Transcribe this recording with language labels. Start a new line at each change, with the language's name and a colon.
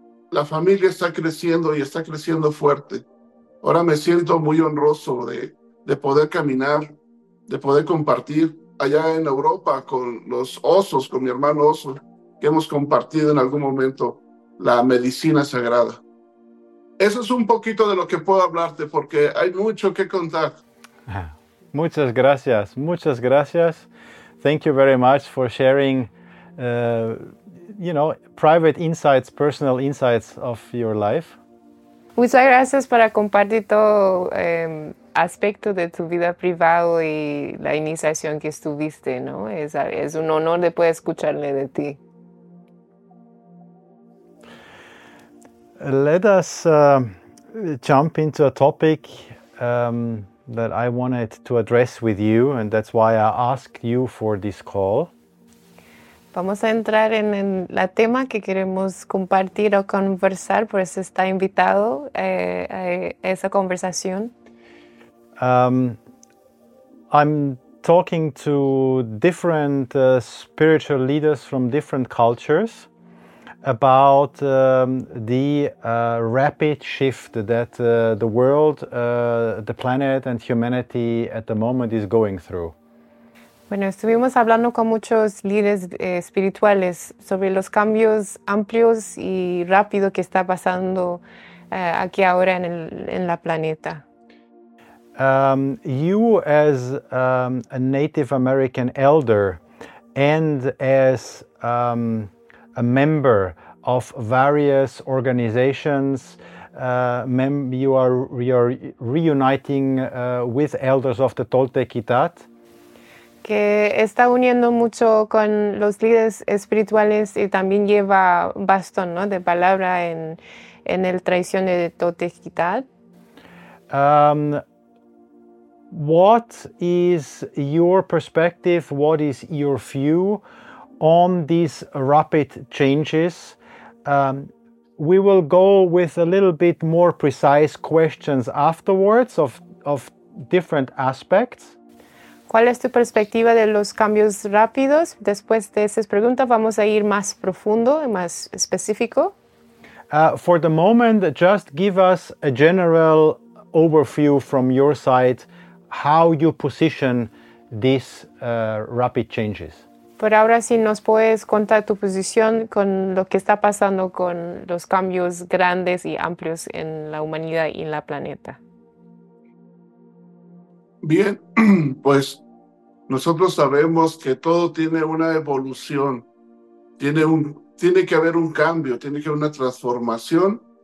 Spanish: La familia está creciendo y está creciendo fuerte. Ahora me siento muy honroso de poder caminar, de poder compartir allá en Europa con los osos, con mi hermano oso, que hemos compartido en algún momento la medicina sagrada. Eso es un poquito de lo que puedo hablarte porque hay mucho que contar. Muchas gracias, muchas gracias.
English: Thank you very much for sharing, private insights, personal insights of your life.
Spanish: Muchas gracias por compartir todo aspecto de tu vida privada y la iniciación que estuviste, ¿no? Es un honor de poder escucharle de ti.
English: Let us jump into a topic that I wanted to address with you, and that's why I asked you for this call.
Spanish: Vamos a entrar en el tema que queremos compartir o conversar, por eso está invitado a esa conversación.
English: I'm talking to different spiritual leaders from different cultures about the rapid shift that the world, the planet, and humanity at the moment is going through.
Spanish: Bueno, estuvimos hablando con muchos líderes espirituales sobre los cambios amplios y rápidos que está pasando aquí ahora en la planeta.
English: You as a Native American elder and as a member of various organizations, you are reuniting with elders of the Toltec Itat.
Spanish: Que está uniendo mucho con los líderes espirituales y también lleva bastón, ¿no?, de palabra en el tradición de Toltec Itat.
English: What is your perspective, what is your view on these rapid changes? We will go with a little bit more precise questions afterwards of different aspects.
Spanish: ¿Cuál es tu perspectiva de los cambios rápidos? Después de esas preguntas vamos a ir más profundo y más específico.
English: For the moment, just give us a general overview from your side, how you position these rapid changes.
Spanish: Por ahora, si nos puedes contar tu posición con lo que está pasando con los cambios grandes y amplios en la humanidad y en la planeta. Bien, pues nosotros sabemos que todo tiene una evolución, tiene que haber un cambio, tiene que haber una transformación.